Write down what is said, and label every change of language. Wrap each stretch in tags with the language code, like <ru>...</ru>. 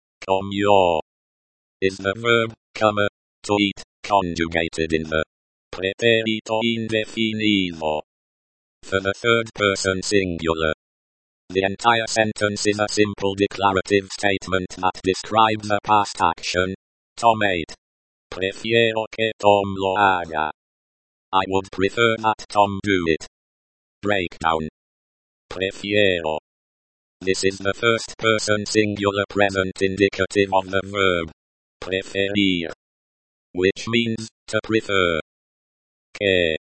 <en>Comió is the verb, comer, to eat, conjugated in the pretérito indefinido. For the third person singular. The entire sentence is a simple declarative statement that describes a past action. Tom ate.</en> <es>Prefiero que Tom lo haga.</es> <en>I would prefer that Tom do it. Breakdown. Prefiero. This is the first person singular present indicative of the verb. Preferir. Which means, to prefer. Que.</en>